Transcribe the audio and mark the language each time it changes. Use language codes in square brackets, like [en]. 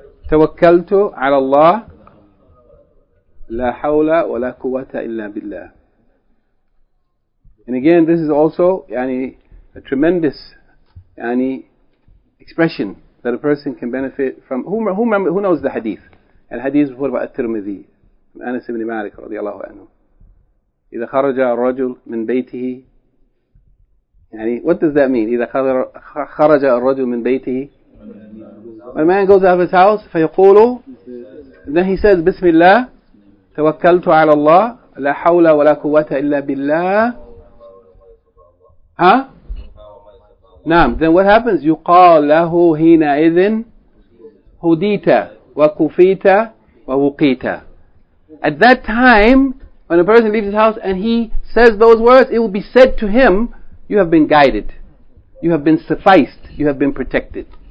[ar] Tawakkaltu ala Allah. La hawla wa la quwwata illa billah. [en] And again, this is also a tremendous expression that a person can benefit from. Who knows the hadith? Al-hadith is from At-Tirmidhi. Anas ibn Malik radiallahu anhu. [ar] إذا خرج الرجل من بيته [en] what does that mean? [ar] إذا خرج الرجل من بيته [en] when a man goes out of his house [ar] فيقول [en] then he says [ar] بسم الله توكلت على الله لا حول ولا قوة إلا بالله ها نعم [en] then what happens? [ar] يقال له حينئذ هديت وكفيت ووقيت [en] at that time when a person leaves his house and he says those words, it will be said to him, you have been guided. You have been sufficed. You have been protected.